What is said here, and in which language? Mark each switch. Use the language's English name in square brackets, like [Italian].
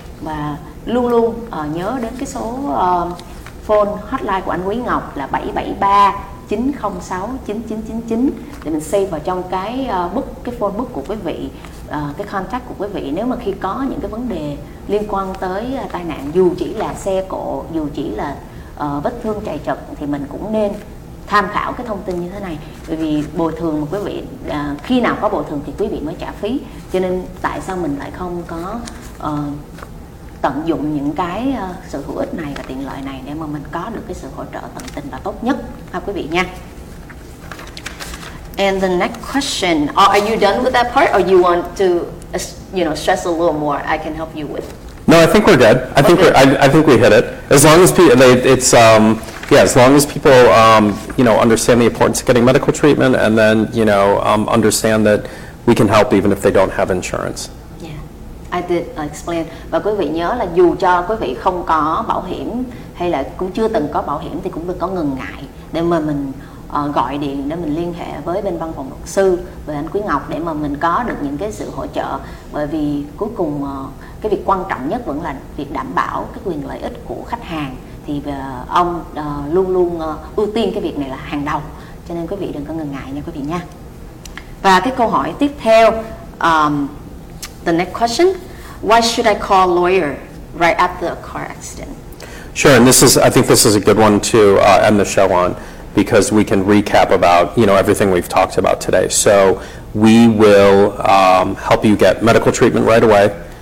[Vietnamese] Và luôn luôn nhớ đến cái số phone hotline của anh Quý Ngọc là 773-906-9999 để mình save vào trong cái book, cái phone book của quý vị, cái contact của quý vị, nếu mà khi có những cái vấn đề liên quan tới tai nạn, dù chỉ là xe cộ, dù chỉ là vết thương chạy trật, thì mình cũng nên tham khảo cái thông tin như thế này. Bởi vì bồi thường mà quý vị, khi nào có bồi thường thì quý vị mới trả phí, cho nên tại sao mình lại không có tận dụng những cái sự hữu ích này và tiện lợi này để mà mình có được cái sự hỗ trợ tận tình và tốt nhất ha quý vị nha. [English] And the next question, are you done with that part, or you want to, you know, stress a little more? I can help you with. No, I think we're good. I think we hit it. As long as people, it's as long as people you know, understand the importance of getting medical treatment, and then you know understand that we can help even if they don't have insurance. I did explain. [Vietnamese] Và quý vị nhớ là dù cho quý vị không có bảo hiểm hay là cũng chưa từng có bảo hiểm, thì cũng đừng có ngần ngại để mà mình gọi điện để mình liên hệ với bên văn phòng luật sư và anh Quý Ngọc để mà mình có được những cái sự hỗ trợ. Bởi vì cuối cùng cái việc quan trọng nhất vẫn là việc đảm bảo cái quyền lợi ích của khách hàng, thì ông luôn luôn ưu tiên cái việc này là hàng đầu. Cho nên quý vị đừng có ngần ngại nha quý vị nha. Và cái câu hỏi tiếp theo, [English] the next question, why should I call a lawyer right after a car accident? Sure, and I think this is a good one to end the show on, because we can recap about, you know, everything we've talked about today. So we will help you get medical treatment right away.